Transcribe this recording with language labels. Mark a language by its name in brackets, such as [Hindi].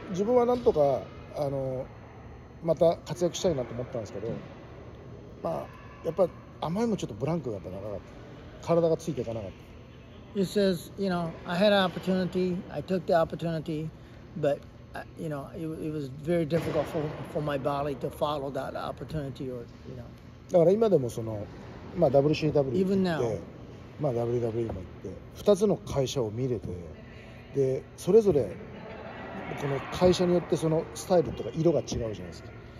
[Japanese] それで、まあその後ね、WWE。ただ、やっぱり自分はなんとか、また活躍したいなと思ったんですけど、まあやっぱりあまりもちょっとブランクが長かった、体がついていかなかった。 [English] He says, you know, I had an opportunity, I took the opportunity, but you know, it was very difficult for my body to follow that opportunity, or you know. [Japanese] だから今でもその、まあWCW行って、まあWWE も行って、2つの会社を見れて、でそれぞれこの会社によってそのスタイルとか色が違うじゃないですか。